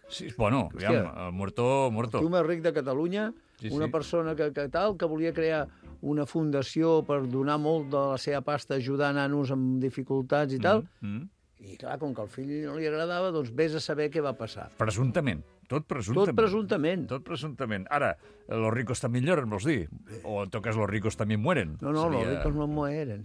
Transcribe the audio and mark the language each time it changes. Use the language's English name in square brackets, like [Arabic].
[Catalan] Sí, bueno, aviam, [Spanish] el muerto, muerto. [Catalan] Tu més ric de Catalunya, sí, una sí. Persona que tal, que volia crear una fundació per donar molt de la seva pasta ajudant nanos amb dificultats i tal, i clar, com que el fill no li agradava, doncs vés a saber què va passar. Presumptament. Tot presumptament. Tot presumptament. Tot presumptament. Ara, [Spanish] los ricos también lloren, [Catalan] vols dir? O en tot cas, [Spanish] los ricos también mueren. No, no, los ricos no mueren.